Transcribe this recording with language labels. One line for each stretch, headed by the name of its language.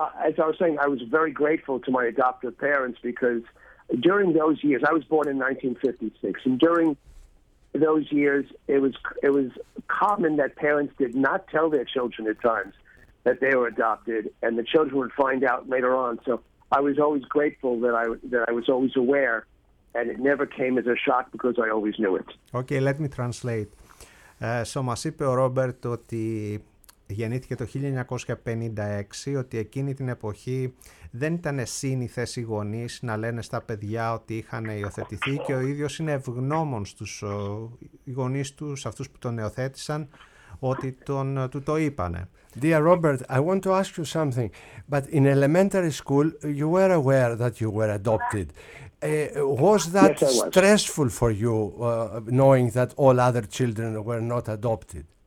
English: as I was saying, I was very grateful to my adoptive parents because during those years, I was born in 1956, and during those years, it was common that parents did not tell their children at times that they were adopted, and the children would find out later on. So I was always grateful that I was always aware, and it never came as a shock because I always knew it. Okay, let me translate.
Greek: So μας είπε ο Ρόμπερτ ότι γεννήθηκε το 1956, ότι εκείνη την εποχή δεν ήταν σύνηθες οι γονείς να λένε στα παιδιά ότι είχαν υιοθετηθεί και ο ίδιος είναι ευγνώμων στους γονείς του, αυτούς που τον υιοθέτησαν, ότι του το είπανε.
English: Dear Robert, I want to ask you something, but in elementary school you were aware that you were adopted. Was that stressful for you, knowing that all other children were not adopted?